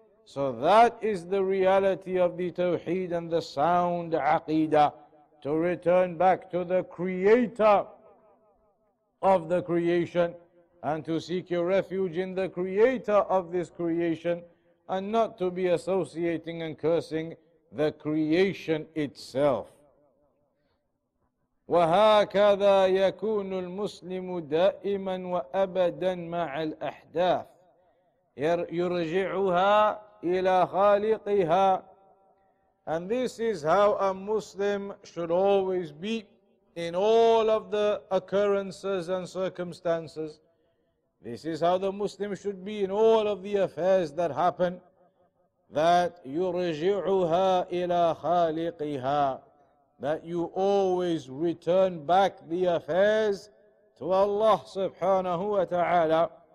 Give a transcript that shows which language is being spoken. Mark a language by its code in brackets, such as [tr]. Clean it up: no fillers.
[en] So that is the reality of the Tawheed and the sound Aqeedah, to return back to the creator of the creation and to seek your refuge in the creator of this creation, and not to be associating and cursing the creation itself. [ar] وهكذا يكون المسلم دائما وأبدا مع الأحداث يرجعها إلى خالقها. [en] And this is how a Muslim should always be in all of the occurrences and circumstances. This is how the Muslim should be in all of the affairs that happen, that [ar] يرجعها إلى خالقها, [en] that you always return back the affairs to Allah subhanahu wa ta'ala.